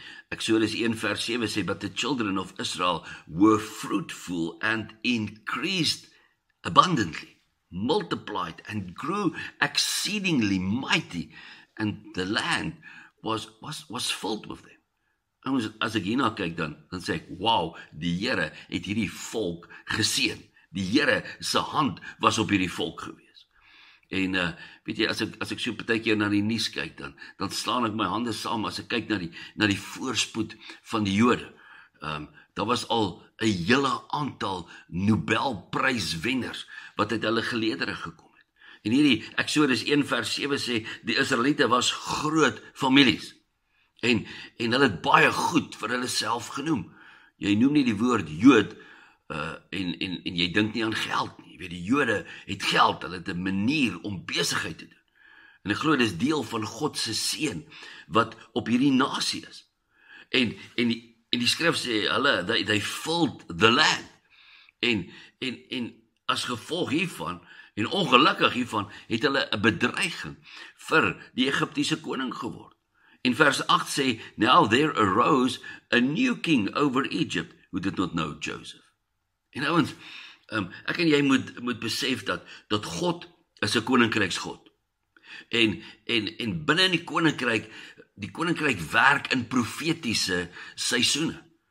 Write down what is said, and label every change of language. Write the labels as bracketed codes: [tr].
[af] Eksodus 1 vers 7 sê, [en] but the children of Israel were fruitful and increased abundantly, multiplied and grew exceedingly mighty, and the land was filled with them. [af] En as ek hierna kyk dan sê ek, wow, die Here het hierdie volk geseën. Die Here se hand was op hierdie volk gewees. En weet jy, as ek so partykeer na die nuus kyk dan slaan ek my hande saam as ek kyk na die voorspoed van die Jode. Daar was al 'n hele aantal Nobelpryswenners wat uit hulle geleedere gekom het. En hierdie Eksodus 1 vers 7 sê die Israeliete was groot families. En hulle het baie goed vir hulle self genoem. Jy noem nie die woord Jood en jy dink nie aan geld nie. Weet, die Jode het geld, hulle het 'n manier om besigheid te doen. En ek glo dis deel van God se seën wat op hierdie nasie is. En die skrif sê hulle [en] they filled the land. [af] En as gevolg hiervan en ongelukkig hiervan het hulle 'n bedreiging vir die Egiptiese koning geword. In vers 8 sê, [en] now there arose a new king over Egypt who did not know Joseph. [af] En ouens, ek en jy moet besef dat God is 'n koninkryksgod. En binne in die koninkryk werk in profetiese seisoene.